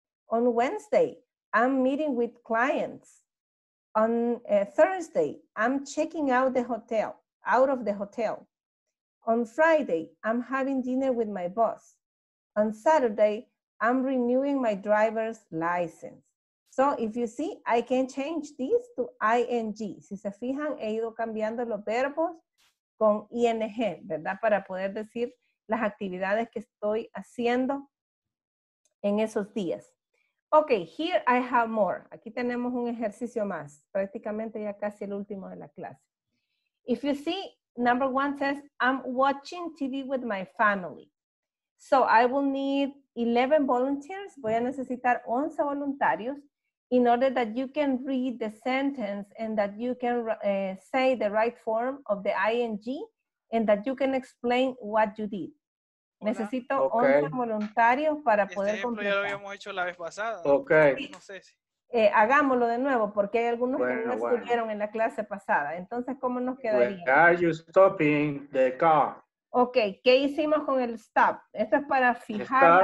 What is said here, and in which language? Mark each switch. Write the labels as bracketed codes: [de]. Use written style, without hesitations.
[en] On Wednesday, I'm meeting with clients. On Thursday, I'm checking out the hotel, out of the hotel. On Friday, I'm having dinner with my boss. On Saturday, I'm renewing my driver's license. So if you see, I can change this to ing. [es] Si se fijan, he ido cambiando los verbos con ing, ¿verdad? Para poder decir las actividades que estoy haciendo en esos días. [en] Ok, here I have more. [es] Aquí tenemos un ejercicio más. Prácticamente ya casi el último de la clase. [en] If you see, number one says, I'm watching TV with my family. So I will need 11 volunteers. [es] Voy a necesitar 11 voluntarios [en] in order that you can read the sentence and that you can say the right form of the ing and that you can explain what you did. [es] Hola. Necesito 11 voluntarios para poder completar. Este ejemplo ya lo habíamos hecho la vez pasada. Ok. No sé si... Hagámoslo de nuevo porque hay algunos que no estuvieron en la clase pasada. Entonces, ¿cómo nos quedaría? [en] Where are you stopping the car? [es] Ok, ¿qué hicimos con el stop? Esto es para fijar.